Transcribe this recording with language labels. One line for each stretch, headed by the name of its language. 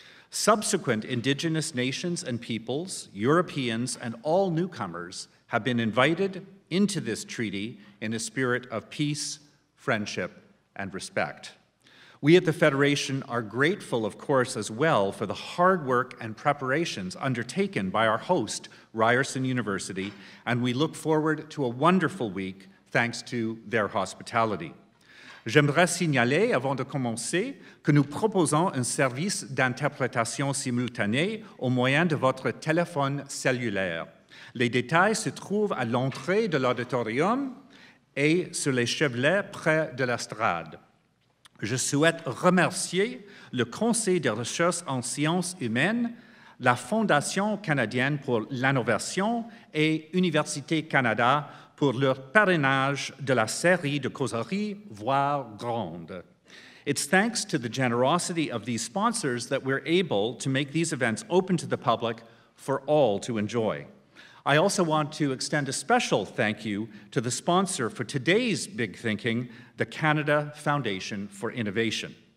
English: Subsequent Indigenous nations and peoples, Europeans, and all newcomers have been invited into this treaty in a spirit of peace, friendship, and respect. We at the Federation are grateful, of course, as well for the hard work and preparations undertaken by our host, Ryerson University, and we look forward to a wonderful week thanks to their hospitality.
French: J'aimerais signaler, avant de commencer, que nous proposons un service d'interprétation simultanée au moyen de votre téléphone cellulaire. Les détails se trouvent à l'entrée de l'auditorium et sur les chevelets près de l'estrade. Je souhaite remercier le Conseil de recherche en sciences humaines, la Fondation canadienne pour l'innovation et Université Canada pour leur parrainage de la série de Causerie Voir Grande.
English: It's thanks to the generosity of these sponsors that we're able to make these events open to the public for all to enjoy. I also want to extend a special thank you to the sponsor for today's Big Thinking, the Canada Foundation for Innovation.